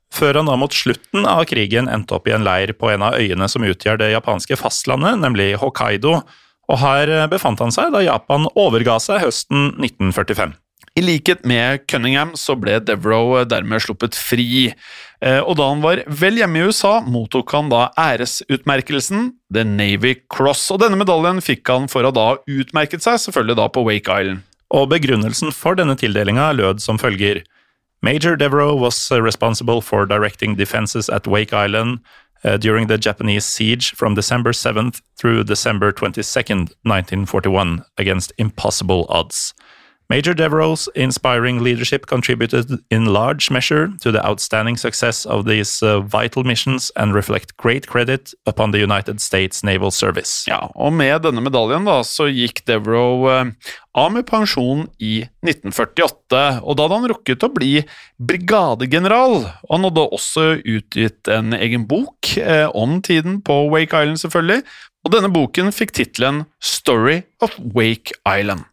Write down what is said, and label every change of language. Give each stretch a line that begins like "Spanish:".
Norwegian: Før han da mot slutten av krigen endte opp i en leir på en av øyene som utgjør det japanske fastlandet, nemlig Hokkaido, og her befant han seg da Japan overga seg høsten 1945. I likhet med Cunningham så ble Devereaux dermed sluppet fri, og da han var vel hjemme i USA, mottok han da æresutmerkelsen The Navy Cross, og denne medaljen fikk han for å da utmerket seg selvfølgelig da på Wake Island. Og begrunnelsen for denne tildelingen lød som følger:
English: Major Devereaux was responsible for directing defenses at Wake Island during the Japanese siege from December 7th through December 22nd, 1941, against impossible odds. Major Devereaux's inspiring leadership contributed in large measure to the outstanding success of these vital missions and reflect great credit upon the United States Naval Service.
Norwegian: Ja, og med denne medaljen da, så gikk Devereaux av med pensjon i 1948, og da hadde han rukket å bli brigadegeneral, og han hadde også utgitt en egen bok om tiden på Wake Island selvfølgelig, og denne boken fikk titlen Story of Wake Island.